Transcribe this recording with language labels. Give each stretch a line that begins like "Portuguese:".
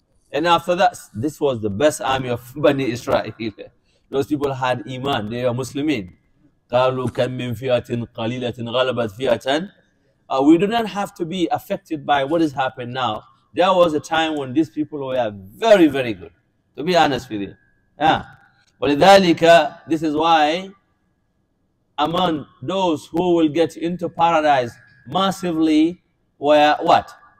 English: And after that, this was the best army of Bani Israel. Those people had Iman, they were Muslimin.
Arabic: قالوا كم من فئة قليلة غلبت فئة.
English: We do not have to be affected by what is happening now. There was a time when these people were very, very good, to be honest with you. Yeah. وَلِذَٰلِكَ, this is why among those who will get into paradise massively were what?